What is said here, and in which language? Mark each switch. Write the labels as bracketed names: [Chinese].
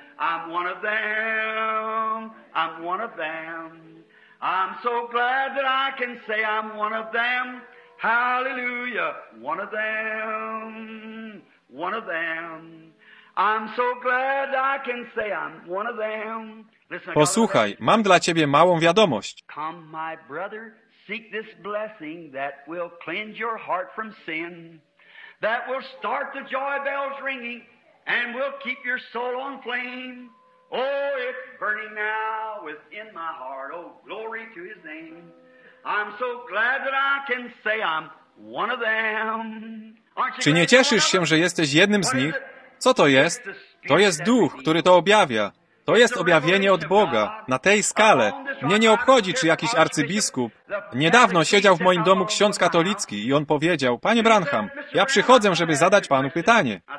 [English] I'm one of them. I'm one of them. I'm so glad that I can say I'm one of them. Hallelujah. One of them. One of them. I'm so glad I can say I'm one of them. [Polish] Posłuchaj, mam dla ciebie małą wiadomość. [English] Come, my brother, seek this blessing that will cleanse your heart from sin, that will start the joy bells ringing and will keep your soul on flame. Oh, it's burning now within my heart. Oh, glory to his name. I'm so glad that I can say I'm one of them. [Polish] Czy nie cieszysz się, że jesteś jednym z nich? Co to jest? To jest duch, który to objawia. To jest objawienie od Boga, na tej skale. Mnie nie obchodzi, czy jakiś arcybiskup. Niedawno siedział w moim domu ksiądz katolicki i on powiedział: Panie Branham, ja przychodzę, żeby zadać panu pytanie.